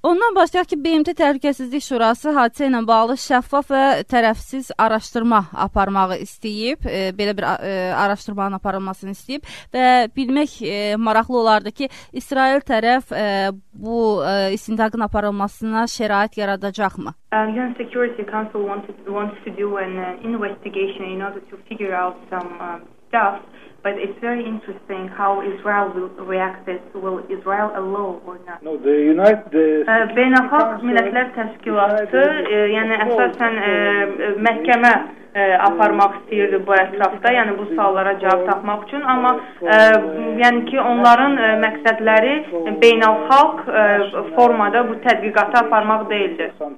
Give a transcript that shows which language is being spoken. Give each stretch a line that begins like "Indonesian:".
Azerbaijani: Ondan başqa ki, BMT Təhlükəsizlik Şurası hadisə ilə bağlı şəffaf və tərəfsiz araşdırma aparmağı istəyib, belə bir araşdırmanın aparılmasını istəyib və bilmək maraqlı olardı ki, İsrail tərəf bu istintaqın aparılmasına şərait yaradacaqmı?
English: UN Security Council wants to do an investigation in order to figure out some stuff, but it's very interesting how Israel will react. Will Israel allow or not? No, the United
Azerbaijani: Beynəlxalq Millətlər Təşkilatı, yəni əsasən məhkəmə aparmaq istəyirdi bu ətrafda, yəni bu suallara cavab tapmaq üçün, amma yəni ki, onların məqsədləri beynəlxalq formada bu tədqiqatı aparmaq deyildi.